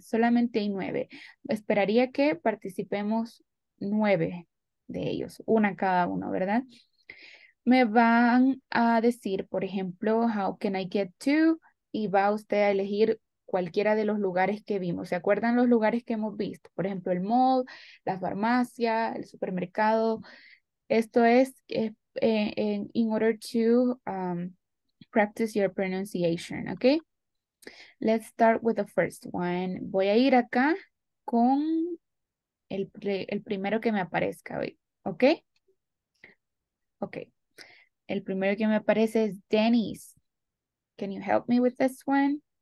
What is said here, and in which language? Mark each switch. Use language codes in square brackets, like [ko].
[es] Solamente hay 9. Esperaría que participemos 9 de ellos, una cada uno, ¿verdad? Me van a decir, por ejemplo, [en] how can I get to? [es] Y va usted a elegir cualquiera de los lugares que vimos. ¿Se acuerdan los lugares que hemos visto? Por ejemplo, el mall, la farmacia, el supermercado. Esto es [en] in order to practice your pronunciation, okay? Let's start with the first one. [es] Voy a ir acá con el primero que me aparezca hoy, okay? Okay. El primero que me aparece es Dennis. [en] Can you help me with this one?